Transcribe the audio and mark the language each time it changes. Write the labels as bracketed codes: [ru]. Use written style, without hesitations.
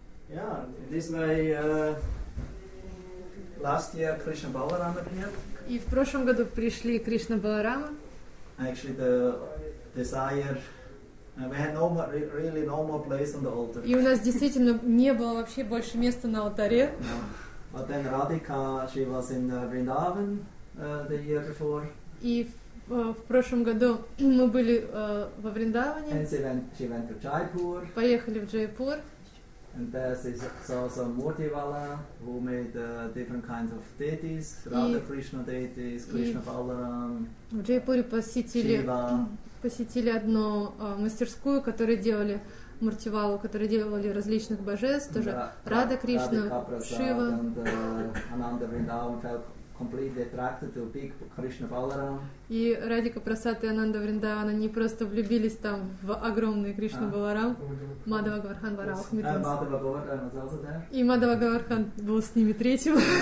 [en] Yeah, this way last year Krishna Balaram appeared. [ru] И в прошлом году пришли Кришна Баларама. [en] Actually the desire we had no more, really no more place on the altar. [ru] И у нас действительно не было вообще больше места на алтаре. [en] But then Radhika, she was in Vrindavan the year before. [ru] И в прошлом году мы были во Вриндаване. [en] And she went to Jaipur. [ru] Поехали в Джайпур. [en] And there saw some Murtivala who made different kinds of deities, Radha Krishna deities, Krishna Balaram. [ru] В Джайпуре посетили одну мастерскую, которую делали Муртивалу, которые делали различных божеств, тоже Рада Кришна, Шива. [en] Ананда Вриндаван felt completely attracted to big Krishna Balaram. [ru] И Радика Прасад и Ананда Вриндаван, они просто влюбились там в огромный Кришна Баларам. Мадхава Гаварган Бара Ахмитон. И Мадхава Гаварган был с ними третьим.